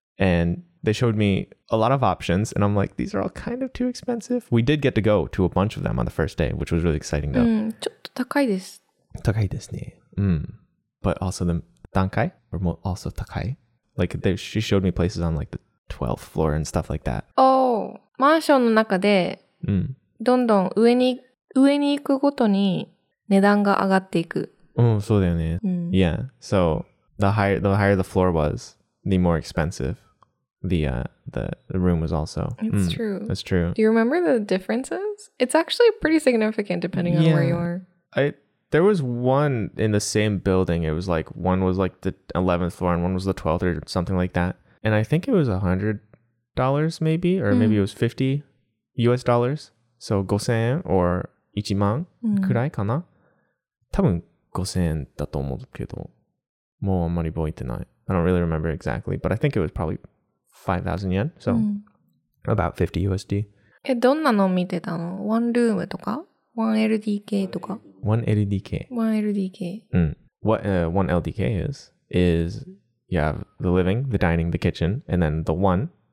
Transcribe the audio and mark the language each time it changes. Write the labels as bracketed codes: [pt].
[en] And they showed me a lot of options, and I'm like, these are all kind of too expensive. We did get to go to a bunch of them on the first day, which was really exciting though. [ja] ちょっと高いです。高いですね。 [en] But also the 段階 were also 高い。 Like, she showed me places on like the 12th floor and stuff like that. [ja] Oh, マンションの中で。どんどん上に行くごとに値段が上がっていく。そうだよね。Yeah. [en] So, the higher the floor was, the more expensive the room was also. It's true. That's true. Do you remember the differences? It's actually pretty significant depending on where you are. There was one in the same building. It was like, one was like the 11th floor and one was the 12th or something like that. And I think it was $100 maybe, or maybe it was $50. [ja] So, 5,000 or 10,000 くらいかな多分5,000だと思うけど、もうあんまり覚えてない。 [en] I don't really remember exactly, but I think it was probably 5,000 yen. So, about $50. [ja] どんなの見てたの ?One room とか ?1LDK とか [en] ?1LDK。 1LDK。 What 1LDK is you have the living, the dining, the kitchen, and then the one...